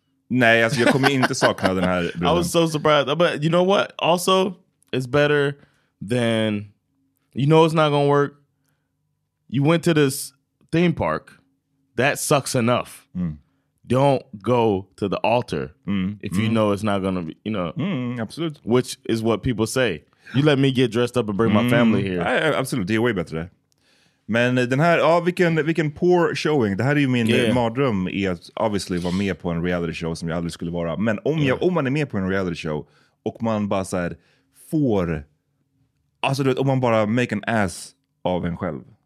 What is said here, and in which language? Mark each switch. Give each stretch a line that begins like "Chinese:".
Swedish: Nej, alltså jag kommer inte sakna den här
English: bruden. I was so surprised. But you know what? Also, it's better than, you know it's not gonna work. You went to this theme park. That sucks enough. Mm. Don't go to the altar if you know it's not gonna be, you know. Absolutely. Which is what people say. You let me get dressed up and bring my family here.
Swedish: Absolutely, det är
English: way better.
Swedish: Men den här, ja, vilken
English: poor showing.
Swedish: Det här är ju min mardröm, är att obviously vara med på en reality show som jag aldrig skulle vara. Men om, om man är med på en reality show och man bara så här får, alltså du vet, om man bara
English: make an ass
Swedish: av en själv.